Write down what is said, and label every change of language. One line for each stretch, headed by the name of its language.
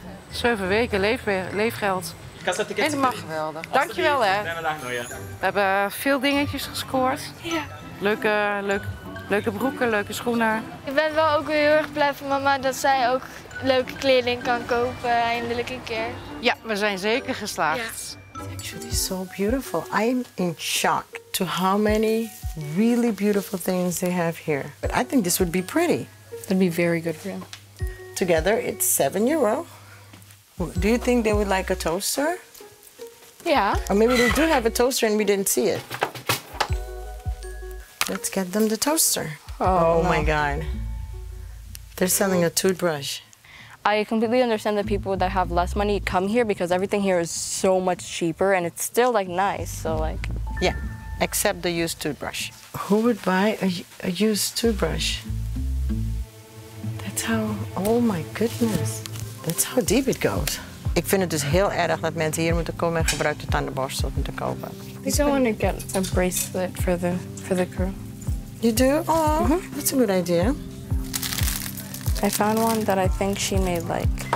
Dutch: 7 weken leefgeld. Helemaal geweldig. Dankjewel, hè. We hebben veel dingetjes gescoord. Ja. Leuke broeken, leuke schoenen. Ik ben wel ook heel erg blij van mama dat zij ook leuke kleding kan kopen eindelijk een keer. Ja, we zijn zeker geslaagd.
English: Het is actually so beautiful. I'm in shock to how many really beautiful things they have here. But I think this would be pretty. That'd be very good for him. Together, it's 7 euro. Do you think they would like a toaster? Yeah. Or maybe they do have a toaster and we didn't see it. Let's get them the toaster. Oh, oh my God. They're selling a toothbrush. I completely understand that people that have less money come here because everything here is so much cheaper and it's still like nice, so like. Yeah, except the used toothbrush. Who would buy a used toothbrush? That's how, oh my goodness. That's how deep it goes.
Dutch: Ik vind het dus heel erg dat mensen hier moeten komen en gebruikte tandenborstel om te kopen.
English: I still want to get a bracelet for the girl. You do? Oh, that's a good idea. I found one that I think she may like.